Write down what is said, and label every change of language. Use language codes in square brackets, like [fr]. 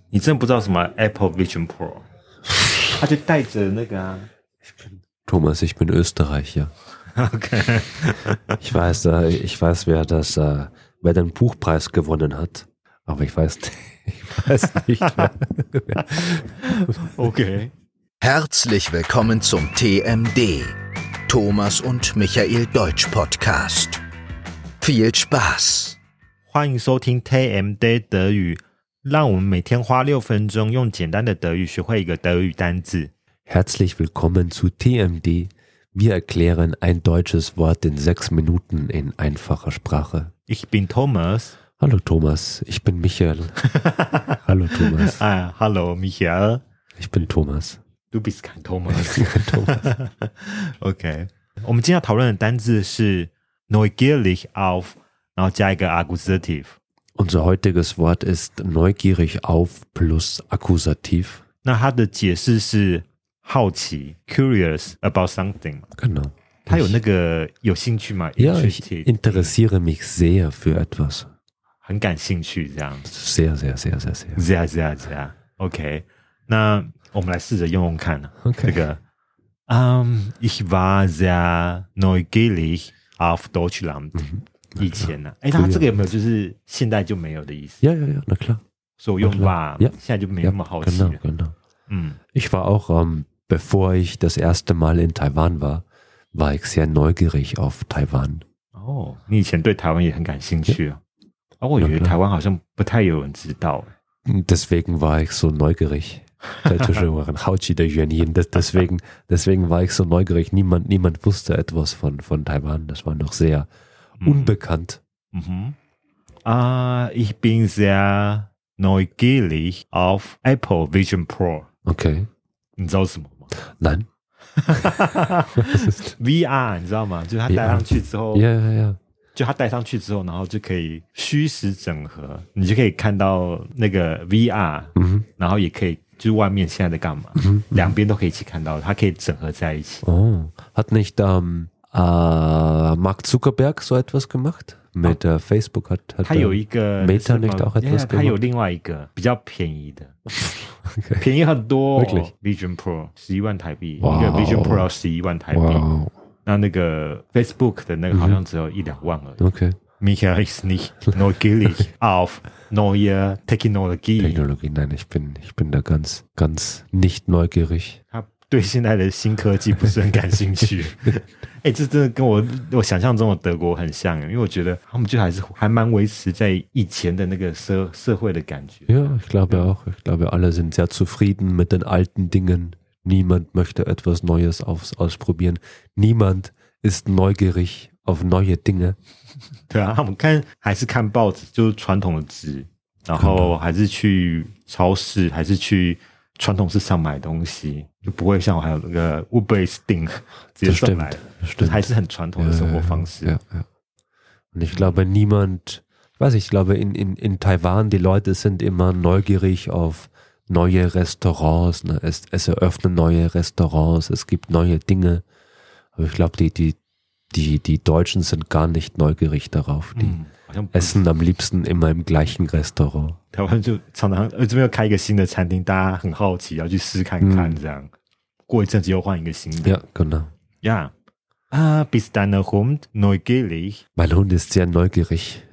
[zh] 你真的不知道什么 Apple Vision Pro？他就带着那个啊。 [de] Thomas, ich bin Österreicher. [en] Okay. [de] Ich weiß, wer das, wer den Buchpreis gewonnen hat, aber ich weiß nicht. [en] Okay. [de] Herzlich willkommen zum TMD, Thomas und Michael Deutsch Podcast. Viel Spaß. [zh] 欢迎收听 TMD 德语，让我们每天花六分钟用简单的德语学会一个德语单字。 [de] Herzlich willkommen zu TMD. Wir erklären ein deutsches Wort in 6 Minuten in einfacher Sprache. Ich bin Thomas. Hallo Thomas, ich bin Michael. Hallo Thomas. Hallo Michael. Ich bin Thomas. Du bist kein Thomas. Ich bin kein Thomas. [en] Okay. [zh] 我们今天要讨论的单字是 [de] neugierig auf, [zh] 然后加一个 Akkusativ. [de] Unser heutiges Wort ist neugierig auf plus Akkusativ. [zh] 那它的解释是好奇 [en] curious about something. [de] Genau. [zh] 他有那个有兴趣吗 [de] Ja, ich interessiere mich sehr für etwas. [zh] 很感兴趣这样。 [de] Sehr, sehr, sehr, sehr, sehr. Sehr, sehr, sehr. [zh] Okay. 那我们来试着用用看。 [en] Okay. [zh] 这个 [de] ich war sehr neugierig auf Deutschland. [zh] 以前啊。他这个有没有就是现在就没有的意思 [de] Ja, ja, ja, na klar. [zh] 所以用吧现在就没那么好奇 [de] 了。Genau, genau. Ich war auch, bevor ich das erste Mal in Taiwan war, war ich sehr neugierig auf Taiwan. [zh] Oh, 你以前对台湾也很感兴趣。 [en] Yeah. [zh] Oh, 我觉得台湾好像不太有人知道。 [de] Deswegen war ich so neugierig. [zh] 在就是我很好奇的原因。 [de] Deswegen war ich so neugierig. Niemand wusste etwas von Taiwan. Das war noch sehr unbekannt. Ich bin sehr... neugierig auf Apple Vision Pro. [en] Okay. [zh] 你知道什么吗？难。 VR 你知道吗？就是他戴上去之后 [en] yeah, yeah, yeah. [zh] 就他戴上去之后然后就可以虚实整合，你就可以看到那个 VR、 mm-hmm. 然后也可以就是外面现在在干嘛、 mm-hmm. 两边都可以一起看到，它可以整合在一起。 [de] Hat nicht Mark Zuckerberg so etwas gemacht? Mit Facebook hat [zh] 他有一个 [de] Meta nicht auch etwas gemacht? [zh] 他有另外一个比较便宜的、 [en] okay. [zh] 便宜很多、哦 [en] really? [zh] Vision Pro 11万台币、 [en] wow. [zh] 一个 Vision Pro 要11万台币、 [en] wow. [zh] 那个 Facebook 的那个好像只有一两万而已、 [en] okay. [de] Michael ist nicht neugierig auf neue Technologie. Nein, ich bin da ganz, ganz nicht neugierig. [zh] 他对现在的新科技不是很感兴趣哎，这真的跟我想象中的德国很像，因为我觉得他们就还蛮维持在以前的那个社会的感觉。 [de] Ja, ich glaube auch. Ich glaube, alle sind sehr zufrieden mit den alten Dingen. Niemand möchte etwas Neues ausprobieren. Niemand ist neugierig auf neue Dinge. [zh] 对啊，他们还是看报纸，就是传统的纸，然后还是去超市，还是去传统市场买东西。就不会像我还有那个 Uber Eats 订直接送来的，还是很传统的生活方式。 [en] Yeah, yeah, yeah. [de] Und ich glaube niemand, weiß ich glaube in Taiwan die Leute sind immer neugierig auf neue Restaurants, ne? Es eröffnen neue Restaurants, es gibt neue Dinge. Aber ich glaube die Deutschen sind gar nicht neugierig darauf. Die essen am liebsten immer im gleichen Restaurant. [zh] 台湾就常常这边又开一个新的餐厅，大家很好奇要去试看看，这样过一阵子又换一个新的。 [de] Yeah, genau. [en] Yeah. [de] Bist dein Hund neugierig? Mein Hund ist sehr neugierig.